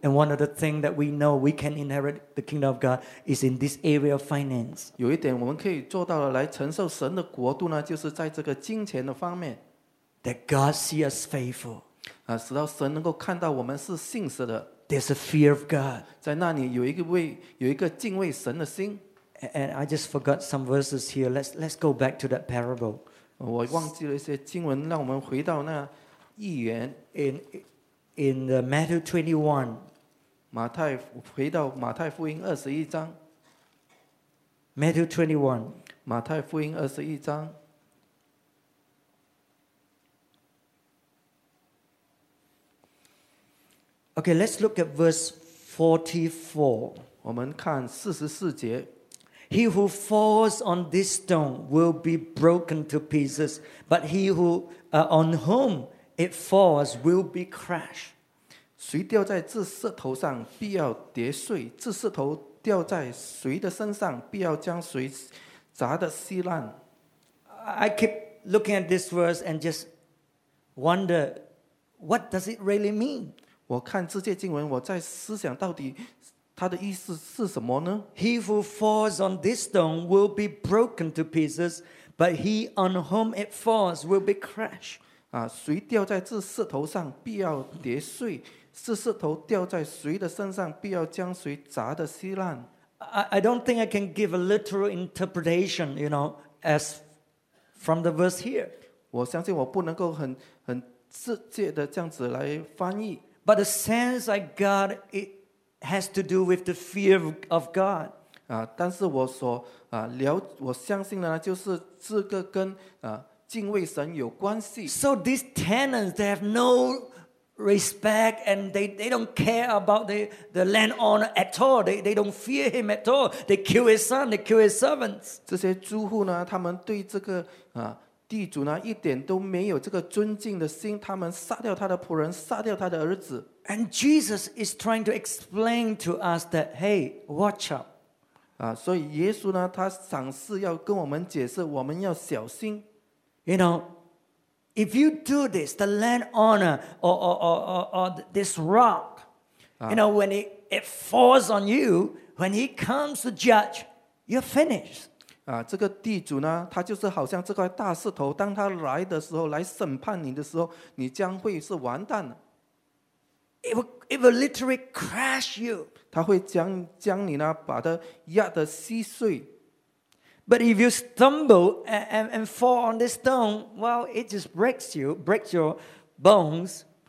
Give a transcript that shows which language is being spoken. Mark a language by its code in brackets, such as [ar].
[en] And one of the things that we know we can inherit the kingdom of God is in this area of finance. [zh] 有一点我们可以做到的来承受神的国度呢，就是在这个金钱的方面。 [en] That God see us faithful. [zh] 使到神能够看到我们是信实的。 [en] There's a fear of God. [zh] 在那里有一个敬畏神的心。 [en] And I just forgot some verses here. Let's go back to that parable. [zh] 我忘记了一些经文，让我们回到那预言。 [en] In the Matthew 21. [zh] 回到马太福音二十一章。 [en] Matthew 21. [zh] 马太福音二十一章。 [en] Okay, let's look at verse 44. [zh] 我们看四十四节。 [en] He who falls on this stone will be broken to pieces, but he who on whom it falls will be crushed. [zh] 谁掉在这石头上必要跌碎，这石头掉在谁的身上必要将谁砸得稀烂。 [en] I keep looking at this verse and just wonder, what does it really mean? [zh] 我看这些经文，我在思想到底它的意思是什么呢？ [en] He who falls on this stone will be broken to pieces, but he on whom it falls will be crushed. [zh] 谁掉在这石头上必要跌碎，这石头掉在谁的身上必要将谁砸得稀烂。 [en] I don't think I can give a literal interpretation, you know, as from the verse here. [zh] 我相信我不能够很直接的这样子来翻译。 [en] But the sense I got, it has to do with the fear of God. [zh] 但是我所我相信的呢，就是这个跟敬畏神有关系。 [en] So these tenants, they have no respect and they don't care about the landowner at all. They don't fear him at all. They kill his son, they kill his servants. [zh] 这些租户呢，他们对这个地主呢一点都没有这个尊敬的心，他们杀掉他的仆人，杀掉他的儿子。 [en] And Jesus is trying to explain to us that, hey, watch out. [zh] 所以耶稣呢，他赏识要跟我们解释，我们要小心。 [en] You know, if you do this, the landowner or this rock, You know, when it falls on you, when he comes to judge, you're finished. [zh] 这个地主呢，他就是好像这块大石头，当他来的时候，来审判你的时候，你将会是完蛋的。 [en] It will literally crash you. [zh] 他会将你呢，把它压得稀碎。 [en] But if you stumble and fall on this stone, well, it just breaks your bones.